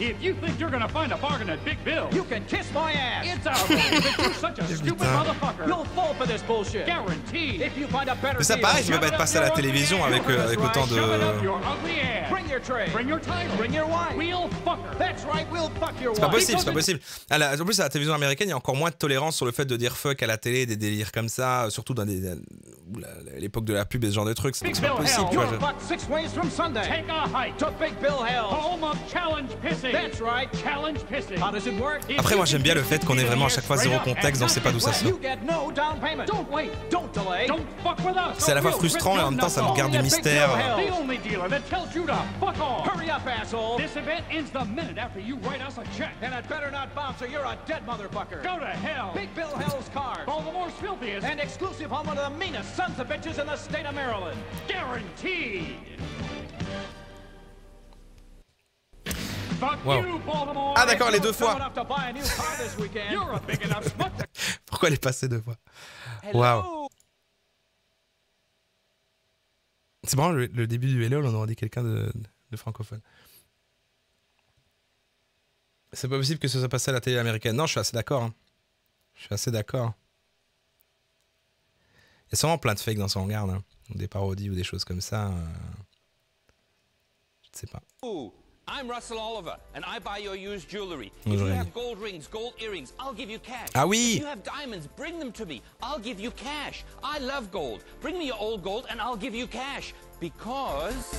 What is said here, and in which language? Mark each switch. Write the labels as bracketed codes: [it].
[en] If you think you're gonna find a bargain at Big Bill, you can kiss my ass. It's our fault that you're such a stupid motherfucker. You'll fall for this bullshit. Guaranteed. If you find a better [fr] deal. Mais ça pareil, je vais pas être passé à la télévision avec autant de... [en] Bring your tray. Bring your title. Bring your wife. We'll fuck her. That's right, we'll fuck your wife. [fr] C'est pas possible, c'est pas possible. En plus, à la télévision américaine, il y a encore moins de tolérance sur le fait de dire fuck à la télé, des délires comme ça. Surtout dans l'époque de la pub et ce genre de trucs, c'est pas possible. Tu vois, [en] take a hike to Big Bill Hell, home of challenge pissing. That's right, challenge pissing. How does it work? [fr] Après, moi j'aime bien le fait qu'on ait vraiment à chaque fois zéro contexte, on sait pas d'où ça sort. [en] You get no down payment. Don't wait, don't delay, don't fuck with us. [fr] C'est à la fois frustrant et en même temps ça nous garde du mystère. [en] The only dealer that tells you to fuck off. Hurry up, asshole. This event ends the minute after you write us a check, and it better not bounce or you're a dead motherfucker. Go to hell, Big Bill Hell's car, Baltimore's filthiest. And exclusive home of the meanest sons of bitches in the state of Maryland. Guaranteed. Fuck wow. You, Baltimore. [fr] Ah d'accord, les deux fois. [en] To buy a new car this weekend. You're a big enough smut. [fr] Pourquoi elle est passée deux fois? [en] Hello. Wow. [fr] C'est bon, le début du Hello, on aurait dit quelqu'un de francophone. C'est pas possible que ça soit passé à la télé américaine. Non, je suis assez d'accord. Hein. Je suis assez d'accord. Il y a sûrement plein de fakes dans son regard, hein. Des parodies ou des choses comme ça. Je sais pas. [en] I'm Russell Oliver and I buy your used jewelry. [fr] Bonjour. [en] If you have gold rings, gold earrings, I'll give you cash. [fr] Ah oui. [en] If you have diamonds, bring them to me. I'll give you cash. I love gold. Bring me your old gold and I'll give you cash because